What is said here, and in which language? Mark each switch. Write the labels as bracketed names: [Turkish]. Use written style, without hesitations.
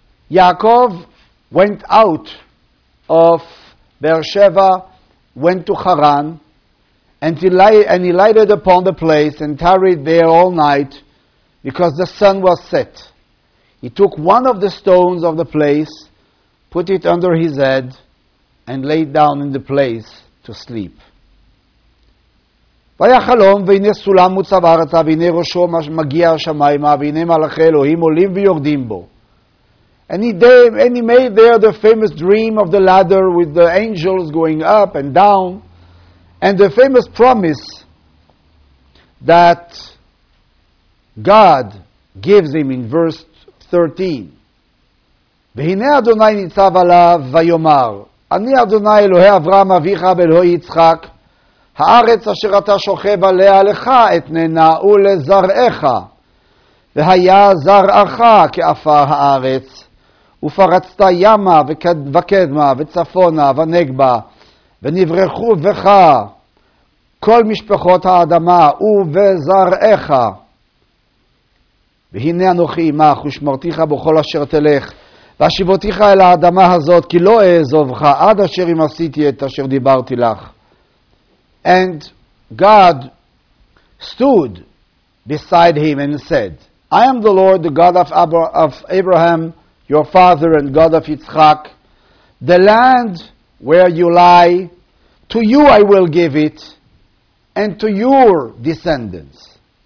[English] Yaakov went out of Beersheba, went to Haran, and he lighted upon the place and tarried there all night because the sun was set. He took one of the stones of the place, put it under his head, and laid down in the place to sleep. [Hebrew] והיה חלום, והנה סולם מוצב ארצה, והנה ראשו מגיע השמיימה, והנה מלאכי אלוהים עולים ויורדים בו. [English] And he made there the famous dream of the ladder with the angels going up and down, and the famous promise that God gives him in verse 13. [Hebrew] והנה אדוני ניצב עליו ויאמר, אני אדוני אלוהי אברהם אביך ואלוהי יצחק, הארץ אשר אתה שוכב עליה לך אתננה ולזרעך, והיה זרעך כעפר הארץ, ופרצת ימה וקדמה וצפונה ונגבה, ונברחו בך כל משפחות האדמה ובזרעך. והנה אנוכי עמך ושמרתיך בכל אשר תלך, והשיבותיך אל האדמה הזאת, כי לא אעזובך עד אשר אם עשיתי את אשר דיברתי לך. [English] And God stood beside him and said, I am the Lord, the God of Abraham, your father, and God of Yitzchak. The land where you lie, to you I will give it, and to your descendants.